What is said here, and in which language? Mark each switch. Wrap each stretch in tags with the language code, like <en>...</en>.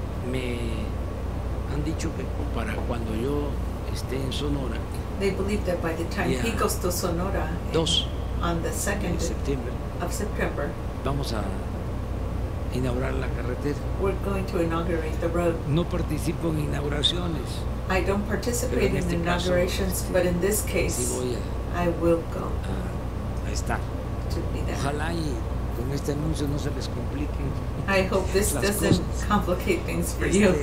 <es>me han dicho que para cuando yo esté en Sonora,</es> <en>they believe that by the time he goes to Sonora, on the 2nd of September,</en> <es>vamos a inaugurar la carretera.</es> <en>We're going to inaugurate the road.</en> <es>No participo en inauguraciones.</es> <en>I don't participate in inaugurations, but in this case, I will go.</en> <es>Ahí está. Ojalá y con este anuncio no se les complique.</es> <en>I hope this doesn't complicate things for you.</en>